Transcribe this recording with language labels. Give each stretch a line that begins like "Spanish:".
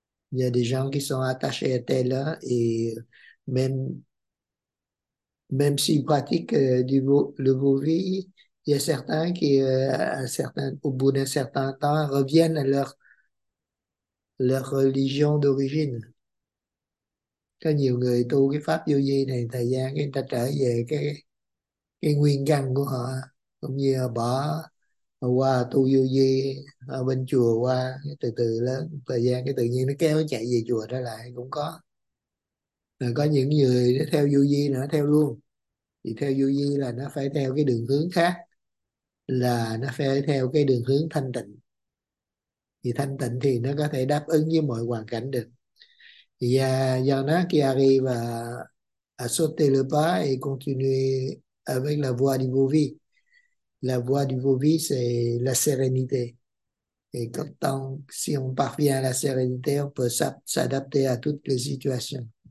French: Il y a des gens qui sont attachés à tel et même s'ils pratiquent le Bouddhisme, il y a certains qui, au bout d'un certain temps, reviennent à leur religion d'origine.
Vietnamese: Cho nhiều người tu cái pháp vô vi này thời gian cái người ta trở về cái nguyên căn của họ, cũng như họ bỏ họ qua tu vô vi ở bên chùa qua từ từ lớn thời gian cái tự nhiên nó kéo chạy về chùa trở lại cũng có. Rồi có những người nó theo vô vi nữa theo luôn, thì theo vô vi là nó phải theo cái đường hướng khác, là nó phải theo cái đường hướng thanh tịnh. Thì thanh tịnh thì nó có thể đáp ứng với mọi hoàn cảnh được.
French: Yajna Kiari và Asote Lepa continue avec la voie du vô vi. La voie du vô vi, c'est la sérénité. Et quand on, si on parvient à la sérénité, on peut s'adapter à toutes les situations.